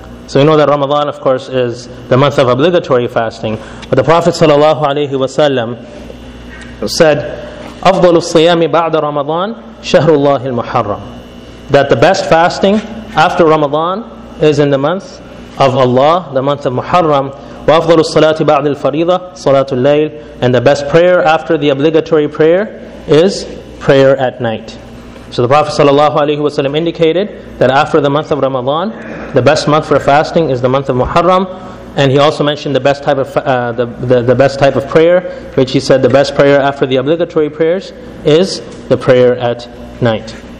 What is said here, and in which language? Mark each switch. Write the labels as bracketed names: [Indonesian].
[English] So we know that Ramadan, of course, is the month of obligatory fasting, but the Prophet sallallahu alaihi wasallam said, [Arabic] "أفضل الصيام بعد رمضان شهر الله المحرم." [English] That the best fasting after Ramadan is in the month of Allah, the month of Muharram. [Arabic] وأفضل الصلاة بعد الفريضة صلاة الليل. [English] And the best prayer after the obligatory prayer is prayer at night. So the Prophet sallallahu alaihi wasallam indicated that after the month of Ramadan, the best month for fasting is the month of Muharram. And he also mentioned the best type of prayer, which he said the best prayer after the obligatory prayers is the prayer at night.